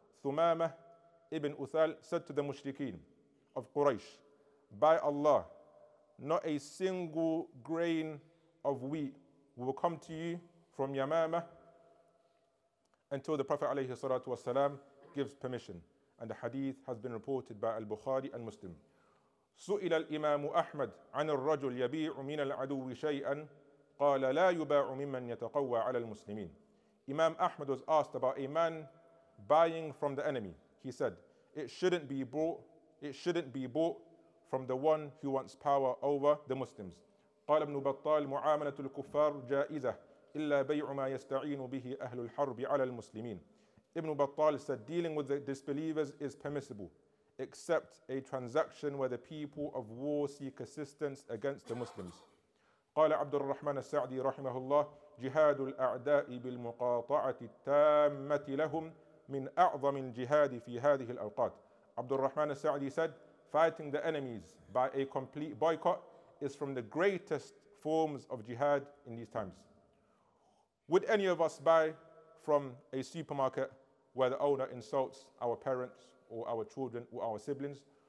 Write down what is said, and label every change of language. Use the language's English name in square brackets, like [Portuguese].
[English] Thumamah Ibn Uthal said to the mushrikeen of Quraysh, by Allah, not a single grain of wheat will come to you from Yamama until the Prophet [Arabic] alayhi salatu wasalam [English] gives permission. And the hadith has been reported by Al-Bukhari and Muslim. [Arabic] سئل الإمام أحمد عن الرجل يبيع من العدو شيئا قال لا يباع ممن يتقوى على المسلمين. [English] Imam Ahmad was asked about a man buying from the enemy. He said, it shouldn't be bought from the one who wants power over the Muslims. [Arabic] قال ابن بطال معاملة الكفار جائزة إلا بيع ما يستعين به أهل الحرب على المسلمين. [English] Ibn Battal said, dealing with the disbelievers is permissible, except a transaction where the people of war seek assistance against the Muslims. [Arabic] قال عبد الرحمن السعدي رحمه الله جهاد الأعداء بالمقاطعة التامة لهم من أعظم الجهاد في هذه الأوقات. [English] عبد الرحمن السعدي said, fighting the enemies by a complete boycott is from the greatest forms of jihad in these times. Would any of us buy from a supermarket where the owner insults our parents or our children or our siblings?